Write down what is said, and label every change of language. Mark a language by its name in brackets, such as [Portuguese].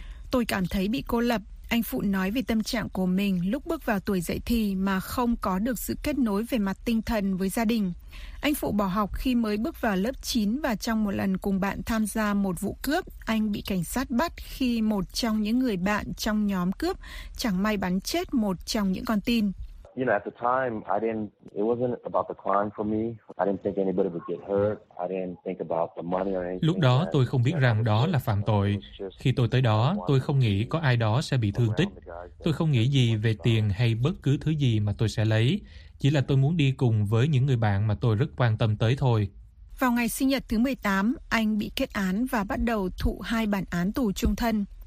[Vietnamese] Tôi cảm thấy bị cô lập. Anh Phụ nói về tâm trạng của mình lúc bước vào tuổi dậy thì mà không có được sự kết nối về mặt tinh thần với gia đình. Anh Phụ bỏ học khi mới bước vào lớp 9 và trong một lần cùng bạn tham gia một vụ cướp, anh bị cảnh sát bắt khi một trong những người bạn trong nhóm cướp chẳng may bắn chết một trong những con tin. [English] You know, at the time, I didn't. It wasn't about the crime for me. I didn't think anybody would get hurt. I didn't think about the money or anything. [Vietnamese] Lúc đó tôi không biết rằng đó là phạm tội. Khi tôi tới đó, tôi không nghĩ có ai đó sẽ bị thương tích. Tôi không nghĩ gì về tiền hay bất cứ thứ gì mà tôi sẽ lấy. Chỉ là tôi muốn đi cùng với những người bạn mà tôi rất quan tâm tới thôi. Vào ngày sinh nhật thứ 18, anh bị kết án và bắt đầu thụ hai bản án tù chung thân.